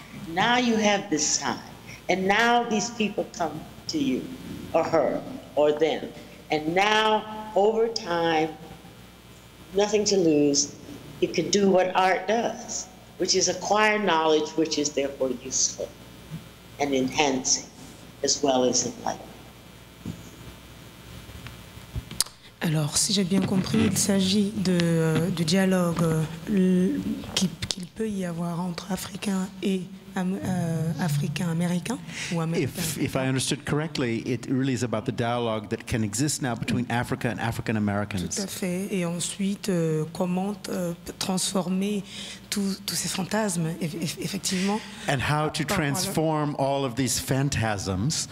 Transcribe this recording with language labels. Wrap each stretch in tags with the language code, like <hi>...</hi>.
<en>Now you have this time, and now these people come to you, or her, or them. And now, over time, nothing to lose, you can do what art does, which is acquire knowledge which is therefore useful and enhancing, as well as enlightening.</en> <fr>Alors, si j'ai bien compris, il s'agit du dialogue qu'il peut y avoir entre Africains et Africains-Américains ou Américains.</fr> <en>If I understood correctly, it really is about the dialogue that can exist now between Africa and African-Americans.</en> <fr>Tout à fait. Et ensuite, comment transformer tous ces fantasmes, effectivement.</fr> <en>And how to transform all of these phantasms</en>